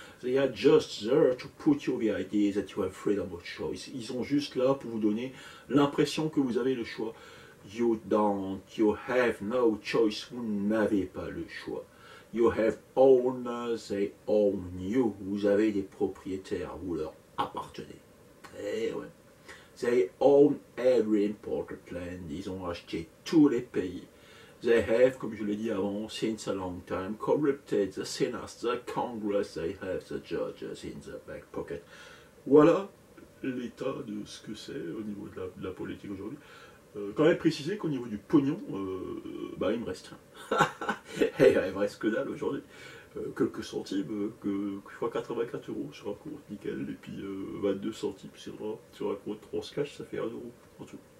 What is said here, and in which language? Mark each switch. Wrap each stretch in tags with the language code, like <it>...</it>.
<en>They are just there to put you the idea that you have freedom of choice.</en> <fr>Ils sont juste là pour vous donner l'impression que vous avez le choix.</fr> <en>You don't, you have no choice,</en> <fr>vous n'avez pas le choix.</fr> <en>You have owners, they own you.</en> <fr>Vous avez des propriétaires, vous leur appartenez. Eh ouais.</fr> <en>They own every important land.</en> <fr>Ils ont acheté tous les pays.</fr> <en>They have,</en> <fr>comme je l'ai dit avant,</fr> <en>since a long time, corrupted the Senate, the Congress, they have the judges in the back pocket.</en> <fr>Voilà l'état de ce que c'est au niveau de la politique aujourd'hui. Quand même préciser qu'au niveau du pognon, il me reste rien. Et il me reste que dalle aujourd'hui. Quelques centimes, que je crois 84 euros sur un compte, nickel. Et puis 22 centimes sur un compte transcash, ça fait 1 euro en tout.</fr>